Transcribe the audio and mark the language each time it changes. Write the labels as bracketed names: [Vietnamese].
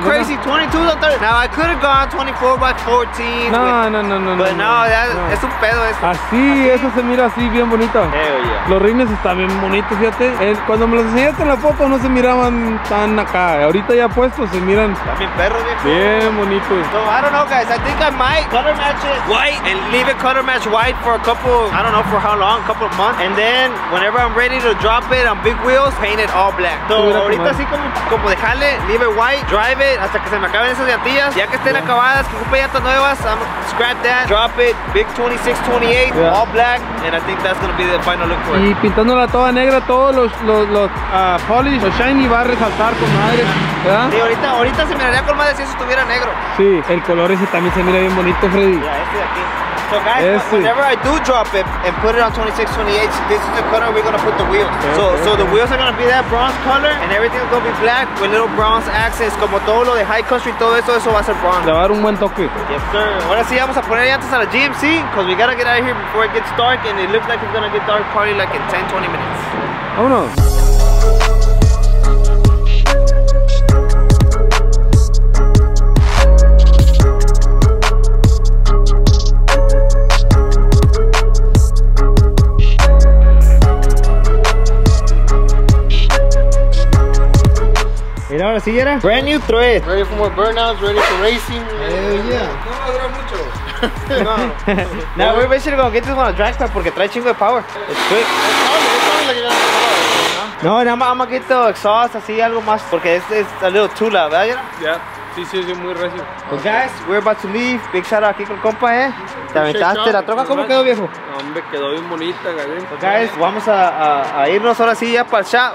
[English] crazy, 22 or 30. Now I could have gone 24 by 14. [Spanish] No, es un pedo eso. Así, eso se mira así, bien bonito. [English] Hell yeah. [Spanish] Los rines están bien bonitos, fíjate. Cuando me los enseñaste en la foto no se miraban tan acá. Ahorita ya puestos se miran. También perro, bien bonito. [English] So I don't know, guys. I think I might color match it white and leave it color match white for a couple, I don't know for how long, a couple of months. And then whenever I'm ready to drop it on big wheels, paint it all black. [Spanish] So, ahorita así como dejarle, [English] leave it white, drive it [Spanish] hasta que se me acaben esas llantillas. Ya que estén acabadas, que ocupe llantas nuevas, [English] I'm gonna scrap that, drop it, big 26, 28, all black, and I think that's gonna be the final look for it. [Spanish] Y pintándola toda negra, todos los polish, los shiny va a resaltar con madre. Sí, ahorita se miraría con madre si eso estuviera negro. Sí, el color ese también se mira bien bonito, Freddy. Ya, este de aquí. [English] So guys, whenever I do drop it and put it on 26, 28, this is the color we're gonna put the wheels. Okay, so the wheels are gonna be that bronze color and everything's gonna be black with little bronze accents. [Spanish] Como todo lo de High Country, todo eso va a ser bronze. Le va a dar un buen toque. [English] Yes, sir. [Spanish] Ahora sí, vamos a poner llantas a la [English] GMC because we gotta get out of here before it gets dark and it looks like it's gonna get dark probably like in 10, 20 minutes. [Spanish] Vámonos. [English] Brand new thread. Ready for more burnouts, ready for racing. Yeah. Now we're basically going to get this one on a drag strap because it's quick. It's solid. [Spanish] No, nada más un poquito exhaust, así algo más, porque este es [English] a little too loud, [Spanish] ¿verdad? [English] Yeah. [Spanish] Sí, muy recio. [English] Well, okay. Guys, we're about to leave. Big shout out [Spanish] aquí con el compa, ¿eh? Te aventaste la troca, ¿cómo quedó, viejo? Hombre, quedó bien bonita, galera. Guys, vamos a irnos ahora sí ya para el shop.